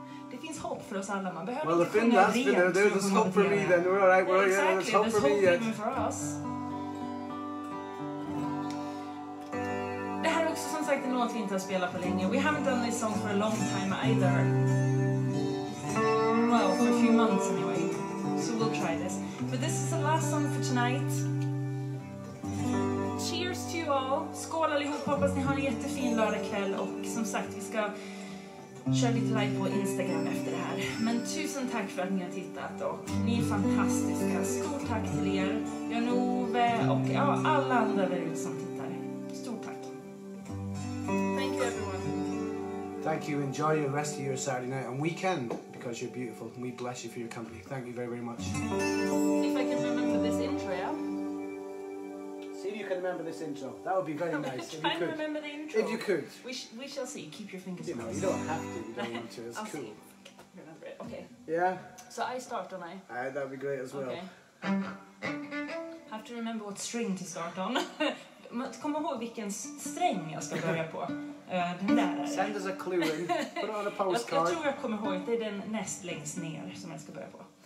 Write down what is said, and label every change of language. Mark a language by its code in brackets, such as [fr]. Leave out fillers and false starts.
[sv] Det finns hopp för oss alla. Man behöver well, inte sjunga rent. [en] Well, the Finland's there's hope for me yeah. Then. We're all right, we're yeah, exactly. hope there's for hope me. Even for us. [sv] Det här är också som sagt en låt vi inte har spelat på länge. [en] We haven't done this song for a long time either. Well, for a few months anyway. So we'll try this. But this is the last song for tonight. Cheers to you all. [sv] Skål allihop, hoppas ni har en jättefin lördagkväll. Och som sagt, vi ska kör lite live på Instagram efter det här. Men tusen tack för att ni har tittat och ni är fantastiska. Stort tack till er, Jan-Ove och ja, alla andra där ute som tittar. Stort tack. [en] Thank you everyone. Thank you, enjoy the rest of your Saturday night and weekend because you're beautiful and we bless you for your company. Thank you very, very much. If I can remember this intro, yeah? See if you can remember this intro. That would be very nice. Try if you could. And remember the intro. If you could. We shall see. Keep your fingers you crossed. You know, you don't have to. You don't want to. It's I'll cool. See. Remember it. Okay. Yeah? So I start, don't I? That would be great as well. Okay. I have to remember what string to start on. [sv] Kom ihåg vilken sträng jag ska börja på. [en] Send us a clue in. Put it on a postcard. [sv] Jag tror jag kommer ihåg. Det är den näst längst ner som jag ska börja på.